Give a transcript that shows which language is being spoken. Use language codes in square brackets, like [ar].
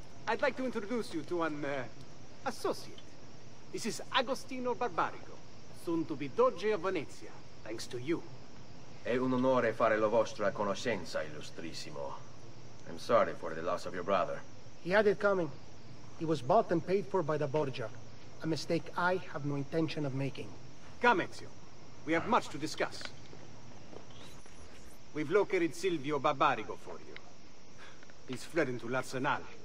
[en] I'd like to introduce you to an associate. This is Agostino Barbarigo, soon to be Doge of Venezia, thanks to you. [it] È un onore fare la vostra conoscenza, illustrissimo. [en] I'm sorry for the loss of your brother. He had it coming. He was bought and paid for by the Borgia. A mistake I have no intention of making. Come, Ezio. We have much to discuss. We've located Silvio Barbarigo for you. He's fled into l'Arsenal.